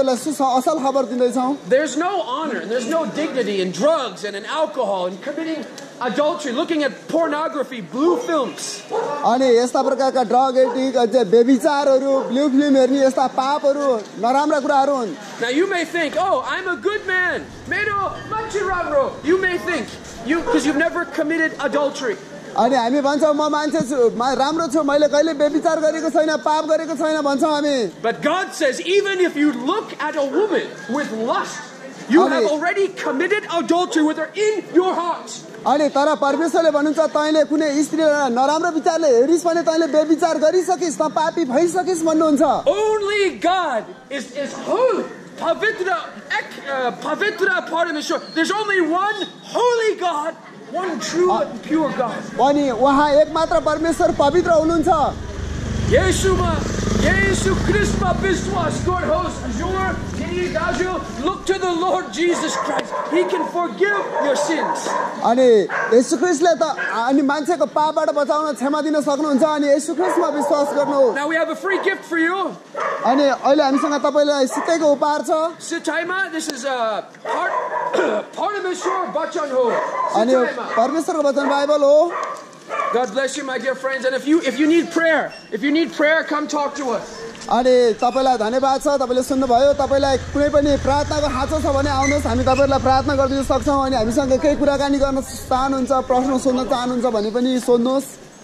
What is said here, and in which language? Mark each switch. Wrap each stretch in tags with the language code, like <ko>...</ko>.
<en>There's no honor, there's no dignity in drugs and in alcohol and committing adultery, looking at pornography, blue films.</en> <ne>अनि यस्ता प्रकारका drug edict अझै व्यभिचारहरू blue film हेर्ने यस्ता पापहरू नराम्रा कुराहरू हुन्.</ne> <en>Now you may think, oh, I'm a good man.</en> <ne>Mero manchi ramro.</ne> <en>You may think, because you've never committed adultery.</en> <ne>अनि हामी भन्छौँ म मान्छे छु राम्रो छु मैले कहिले व्यभिचार गरेको छैन पाप गरेको छैन भन्छौँ हामी.</ne> <en>But God says, even if you look at a woman with lust, you have already committed adultery with her in your heart.</en> <ne>अनि तर परमेश्वरले भन्नुहुन्छ तैँले कुनै स्त्रीलाई नराम्रो विचारले हेरिस भने तैँले व्यभिचार गरिसकिस् त पापी भइसकिस् भन्नुहुन्छ.</ne> <en>Only God is holy.</en> <ne>Pavitra ek pavitra parameshwar.</ne> <en>There's only one holy God, one true and pure God.</en> <ne>अनि उहाँ एकमात्र परमेश्वर पवित्र हुनुहुन्छ. येशूमा येशू ख्रीष्टमा विश्वास गर्नुहोस्.</ne> <en>Your Dajo, look to the Lord Jesus Christ. He can forgive your sins.</en> <ne>अनि येशू ख्रीष्टले त अनि मान्छेको पापबाट बचाउन क्षमा दिन सक्नुहुन्छ अनि येशू ख्रीष्टमा विश्वास गर्नुहोस्.</ne> <en>Now we have a free gift for you.</en> <ne>अनि अहिले हामीसँग तपाईलाई सितैको उपहार छ.</ne> <en>Sitaima, this is a part</en> <ne>parmeshwar bachan ho. अनि परमेश्वरको वचन बाइबल हो.</ne> <en>God bless you my dear friends, and if you need prayer come talk to us.</en> <ne>अनि तपाईँलाई धन्यवाद छ तपाईँले सुन्नुभयो. तपाईँलाई कुनै पनि प्रार्थनाको खाँचो छ भने आउनुहोस् हामी तपाईँहरूलाई प्रार्थना गरिदिन सक्छौँ. अनि हामीसँग केही कुराकानी गर्न चाहनुहुन्छ प्रश्न सोध्न चाहनुहुन्छ भने पनि सोध्नुहोस्.</ne>